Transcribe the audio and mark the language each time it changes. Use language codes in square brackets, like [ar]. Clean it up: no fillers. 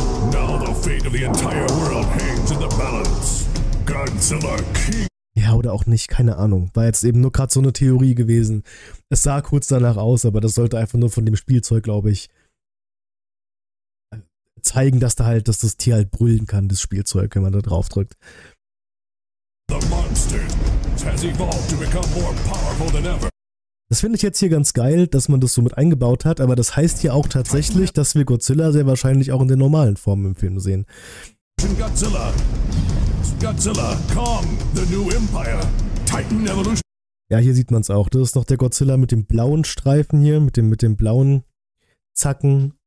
[en] Now the fate of the entire world hangs in the balance. Godzilla King. [de] Ja, oder auch nicht, keine Ahnung. War jetzt eben nur gerade so eine Theorie gewesen. Es sah kurz danach aus, aber das sollte einfach nur von dem Spielzeug, glaube ich, zeigen, dass da halt, dass das Tier halt brüllen kann, das Spielzeug, wenn man da drauf drückt. [en] The monster has evolved to become more powerful than ever. [de] Das finde ich jetzt hier ganz geil, dass man das so mit eingebaut hat, aber das heißt hier auch tatsächlich, dass wir Godzilla sehr wahrscheinlich auch in der normalen Form im Film sehen. [en] Godzilla. Godzilla, Kong, the new empire, Titan Evolution. [de] Ja, hier sieht man es auch. Das ist noch der Godzilla mit dem blauen Streifen hier, mit dem blauen Zacken.